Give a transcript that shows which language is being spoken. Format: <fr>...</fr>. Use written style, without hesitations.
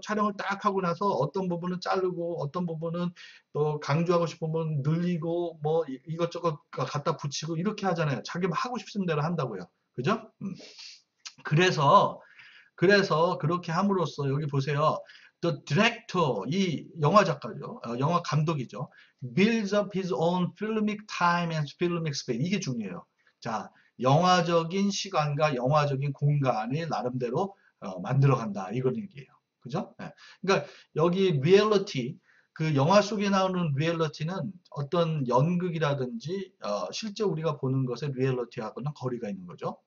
<ko>촬영을 딱 하고 나서 어떤 부분은 자르고 어떤 부분은 또 강조하고 싶으면 늘리고 뭐 이것저것 갖다 붙이고 이렇게 하잖아요. 자기 하고 싶은 대로 한다고요. 그죠? 그래서 그렇게 함으로써 여기 보세요.</ko> <en>The director,</en> <ko>이 영화 작가죠. 영화 감독이죠.</ko> <en>Builds up his own filmic time and filmic space.</en> <ko>이게 중요해요. 자, 영화적인 시간과 영화적인 공간을 나름대로 만들어 간다. 이런 얘기예요. 그죠? 네. 그러니까 여기 reality 그 영화 속에 나오는 리얼리티는 어떤 연극이라든지 실제 우리가 보는 것의 리얼리티하고는 거리가 있는 거죠.</ko>